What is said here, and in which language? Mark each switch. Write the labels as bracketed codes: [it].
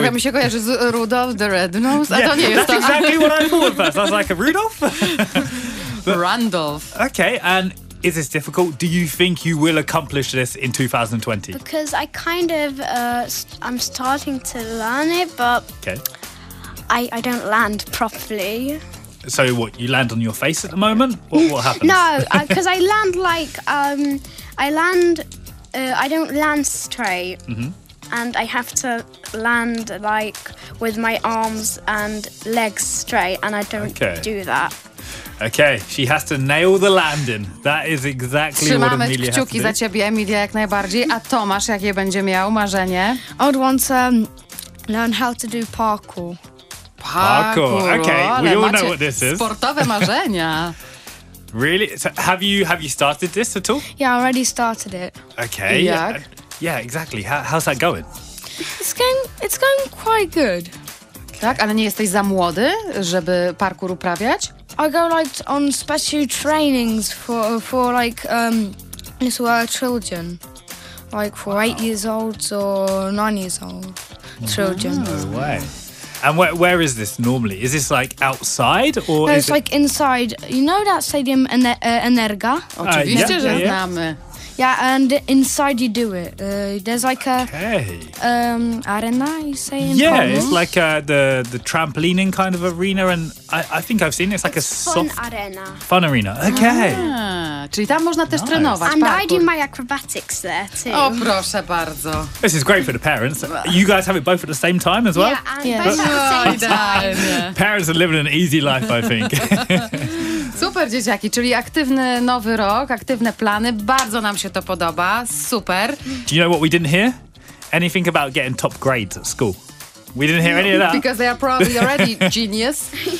[pl] Trochę mi się kojarzy z Rudolph the Red Nose. [en] Yeah, that's exactly what I thought at first. I was like, a Rudolph? But, Randolph. Okay, and is this difficult? Do you think you will accomplish this in 2020? Because I kind of, I'm starting to learn it, but okay. I don't land properly. So what, you land on your face at the moment? What happens? No, because I land like, I land, I don't land straight. Mm-hmm. And I have to land like with my arms and legs straight, and I don't do that. Okay, she has to nail the landing. That is exactly [pl] Trzymamy [en] what Emilia has to do. [pl] Trzymamy kciuki za ciebie, Emilia, jak najbardziej. A Tomasz, jakie będzie miał marzenie? [en] I would want to learn how to do parkour. Parkour, okay, we all know what this is. [pl] Sportowe marzenia. [en] Really? So have you started this at all? Yeah, I already started it. Okay. [pl] Jak? [en] Yeah, exactly. How's that going? It's going quite good. Okay. [pl] Tak, ale nie jesteś za młody, żeby parkour uprawiać? [en] I go like on special trainings for like this were children, like for 8 years old or 9 years old children. No way. And where is this normally? Is this like outside or? No, is it's like inside. You know that stadium Energa? [pl] Oczywiście, że znamy. [en] Yeah, and inside you do it. There's like a arena, you say in Yeah, Poland? It's like the trampolining kind of arena, and I think I've seen it. It's like it's a fun soft arena. Fun arena. Okay. [pl] Ah, czyli tam można też trenować. [en] And parkour. I do my acrobatics there too. [pl] Oh, proszę bardzo. [en] This is great for the parents. You guys have it both at the same time as well. Yeah, and both at the same time. Parents are living an easy life, I think. [pl] Super, dzieciaki, czyli aktywny nowy rok, aktywne plany. Bardzo nam się to podoba. Super. [en] Do you know what we didn't hear? Anything about getting top grades at school. We didn't hear any of that. Because they are probably already genius.